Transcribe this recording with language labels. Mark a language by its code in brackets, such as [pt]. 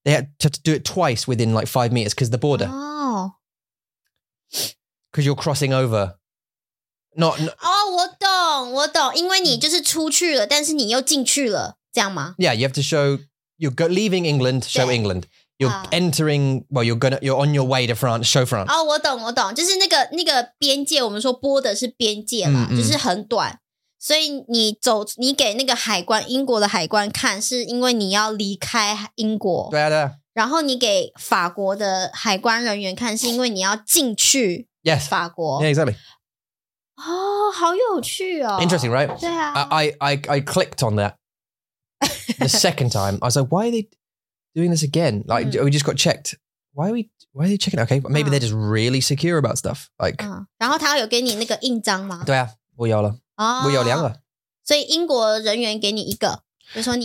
[en] They had to do it twice within like 5 meters because the border. Because you're crossing over. Not, [zh] not, 哦,我懂,我懂, 因为你就是出去了, 但是你又进去了, 这样吗? [en] Yeah, you have to show, you're leaving England, show England. You're entering, well, you're on your way to France, show France. [zh] 哦,我懂,我懂, 就是那个边界, 我们说border是边界啦, 就是很短, 所以你走, 你给那个海关, 英国的海关看, 是因为你要离开英国, 对啊, 然后你给法国的海关人员看, 是因为你要进去, [en] yes, [zh] 法国, [en] yeah, exactly. [zh] 哦,好有趣哦。 [en] Interesting, right? [zh] 对啊。 [en] I clicked on that the second time. I was like, why are they doing this again? Like, we just got checked. Why are they checking? Okay, maybe they're just really secure about stuff. Like, [zh] 然后他有给你那个印章吗? 对啊,我有了。我有两个。所以英国人员给你一个, 比如说你,